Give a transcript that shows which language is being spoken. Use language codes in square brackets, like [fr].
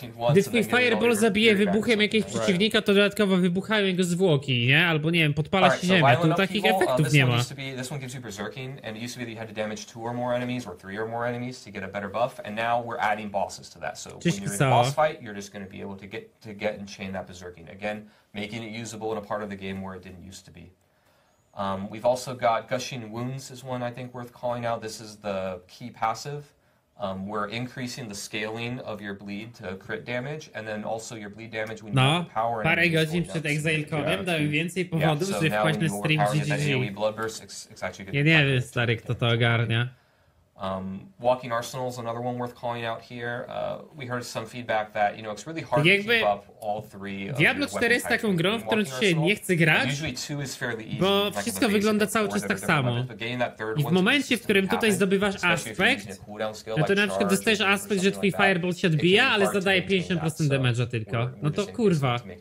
[pl] Gdy twój fireball zabije wybuchem jakiegoś przeciwnika, to dodatkowo wybuchają jego zwłoki, nie? Albo nie wiem, podpala się ziemia, tu takich efektów nie ma. [en] This one gives you berserking, and it used to be that you had to damage two or more enemies or three or more enemies to get a better buff, and now we're adding bosses to that. So when you're in a boss fight, you're just going to be able to get and chain that berserking again, making it usable in a part of the game where it didn't used to be. We've also got gushing wounds is one I think worth calling out. This is the key passive We're increasing the scaling of your bleed to crit damage, and then also your bleed damage when you have power [pl] parę godzin przed Exile Codem dałem więcej powodów, żeby wpaść na stream GGG. Ja nie wiem, stary, kto to ogarnia. [en] Walking Arsenal is another one worth calling out here. We heard some feedback that, you know, it's really hard to keep up all three of [pl] Diablo 4 jest taką grą, w którą się nie chce grać, bo wszystko wygląda cały czas tak samo. I w momencie, w którym tutaj zdobywasz aspekt, no to na przykład dostajesz aspekt, że twój fireball się odbija, ale zadaje 50% damage'a tylko. No to kurwa.